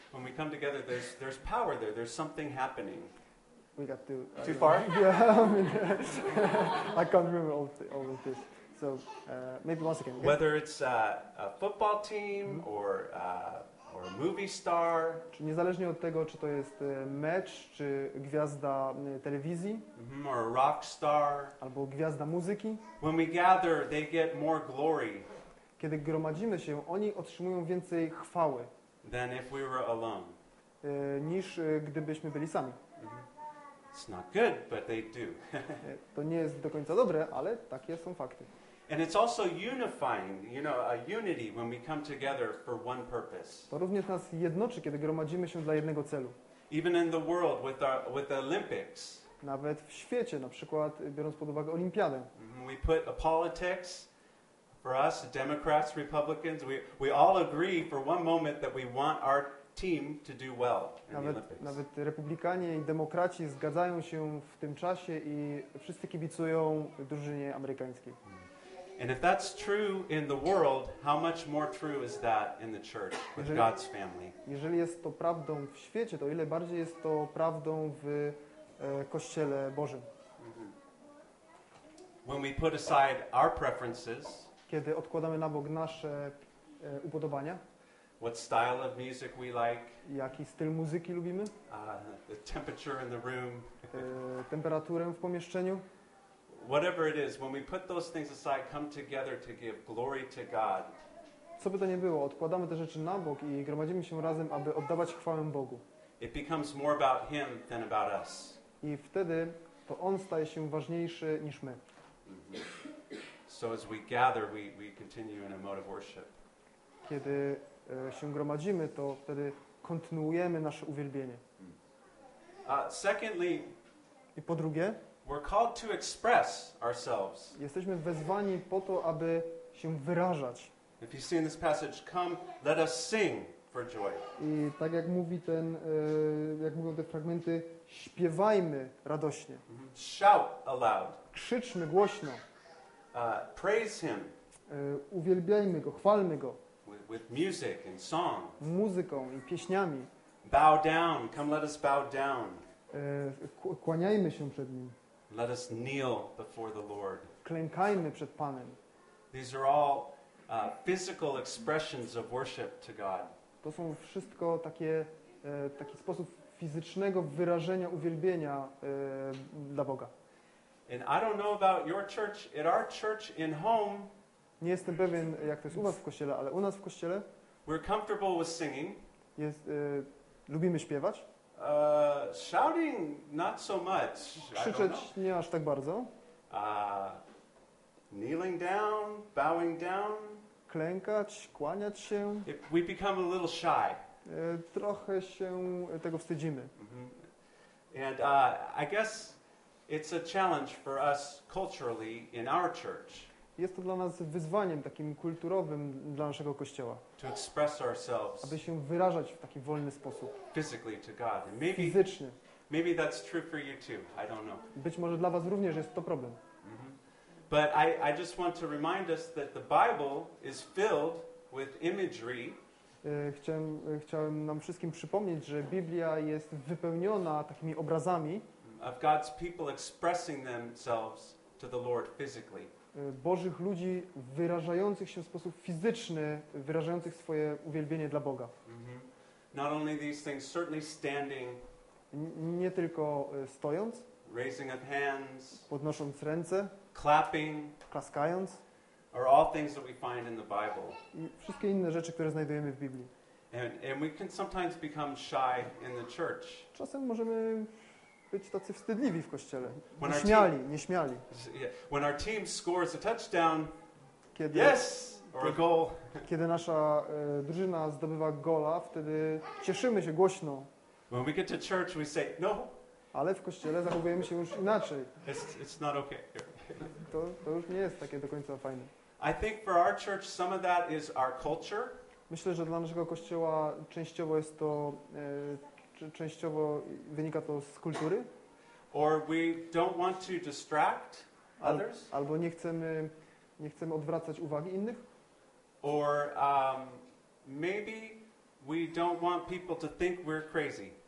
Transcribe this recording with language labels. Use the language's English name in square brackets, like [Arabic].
[English] When we come together, there's power there, there's something happening. We got to, too far? Yeah, I can't remember all of this. So maybe once again. Okay? Whether it's a football team, mm-hmm, or a movie star. [Polish] Czy niezależnie od tego, czy to jest mecz, czy gwiazda telewizji. [English] Mm-hmm, or a rock star. [Polish] Albo gwiazda muzyki. [English] When we gather, they get more glory. [Polish] Kiedy gromadzimy się, oni otrzymują więcej chwały. [English] Than if we were alone. [Polish] Niż gdybyśmy byli sami. [English] It's not good, but they do. [Polish] To nie jest do końca dobre, ale takie są fakty. [English] And it's also unifying, you know, a unity when we come together for one purpose. [Polish] To również nas jednoczy, kiedy gromadzimy się dla jednego celu. [English] Even in the world with our, with the Olympics. [Polish] Nawet w świecie, na przykład biorąc pod uwagę olimpiadę. [English] We put a politics for us, Democrats, Republicans, we all agree for one moment that we want our team to do well in [Polish] nawet, [English] the Olympics. [Polish] Nawet republikanie i demokraci zgadzają się w tym czasie i wszyscy kibicują drużynie amerykańskiej. [English] And if that's true in the world, how much more true is that in the church with [Polish] jeżeli, [English] God's family? [Polish] Jeżeli jest to prawdą w świecie, to ile bardziej jest to prawdą w Kościele Bożym. [English] Mm-hmm. When we put aside our preferences, [Polish] kiedy odkładamy na bok nasze upodobania, [English] what style of music we like, [Polish] jaki styl muzyki lubimy, [English] the temperature in the room, [Polish] temperaturę w pomieszczeniu. [English] Whatever it is, when we put those things aside, come together to give glory to God. [Polish] Co by to nie było, odkładamy te rzeczy na bok i gromadzimy się razem, aby oddawać chwałę Bogu. [English] It becomes more about Him than about us. [Polish] I wtedy to On staje się ważniejszy niż my. [English] So as we gather, we continue in a mode of worship. [Polish] Kiedy się gromadzimy, to wtedy kontynuujemy nasze uwielbienie. [English] Secondly, [Polish] i po drugie, [English] we're called to express ourselves. [Polish] Jesteśmy wezwani po to, aby się wyrażać. [English] If you see in this passage, come, let us sing for joy. [Polish] I tak jak mówi ten, jak mówią te fragmenty, śpiewajmy radośnie. [English] Shout aloud. [Polish] Krzyczmy głośno. [English] Praise Him. [Polish] Uwielbiajmy Go, chwalmy Go. [English] With music and song. [Polish] Muzyką i pieśniami. [English] Bow down, come let us bow down. [Polish] Kłaniajmy się przed Nim. [English] Let us kneel before the Lord. [Polish] Klękajmy przed Panem. [English] These are all physical expressions of worship to God. [Polish] To są wszystko takie, taki sposób fizycznego wyrażenia uwielbienia dla Boga. [English] And I don't know about your church, at our church in home. [Polish] Nie jestem pewien, jak to jest u was w kościele, ale u nas w kościele. [English] We're comfortable with singing. [Polish] Jest, lubimy śpiewać. [English] Shouting not so much. [Polish] Krzyczeć nie aż tak bardzo. [English] Kneeling down, bowing down. [Polish] Klękać, kłaniać się. [English] If we become a little shy. [Polish] Trochę się tego wstydzimy. Mm-hmm. [English] And I guess it's a challenge for us culturally in our church. [Polish] Jest to dla nas wyzwaniem takim kulturowym dla naszego kościoła. [English] To express ourselves. [Polish] Aby się wyrażać w taki wolny sposób. [English] Physically to God. Maybe, [Polish] fizycznie. [English] Maybe that's true for you too. I don't know. [Polish] Być może dla was również jest to problem. [English] But I just want to remind us that the Bible is filled with imagery. [Polish] Chciałem nam wszystkim przypomnieć, że Biblia jest wypełniona takimi obrazami. [English] Of God's people expressing themselves to the Lord physically. [Polish] Bożych ludzi wyrażających się w sposób fizyczny, wyrażających swoje uwielbienie dla Boga. [English] Not only these things, certainly standing. [Polish] Nie tylko stojąc. [English] Raising up hands. [Polish] Podnosząc ręce. [English] Clapping, [Polish] klaskając, [English] are all things that we find in the Bible. [Polish] Wszystkie inne rzeczy, które znajdujemy w Biblii. [English] And we can sometimes become shy in the church. [Polish] Czasem możemy być tacy wstydliwi w kościele. Nieśmiali. [English] When our team scores a touchdown, [Polish] kiedy [English] a goal. [Polish] Kiedy nasza drużyna zdobywa gola, wtedy cieszymy się głośno. [English] When we get to church, we say no. [Polish] Ale w kościele zachowujemy się już inaczej. [English] It's not okay. [Polish] To już nie jest takie do końca fajne. [English] I think for our church some of that is our culture. [Polish] Myślę, że dla naszego kościoła częściowo jest to częściowo wynika to z kultury. [English] Or we don't want to distract others. [Polish] Albo nie chcemy odwracać uwagi innych. [English] Or maybe we don't want people to think we're crazy.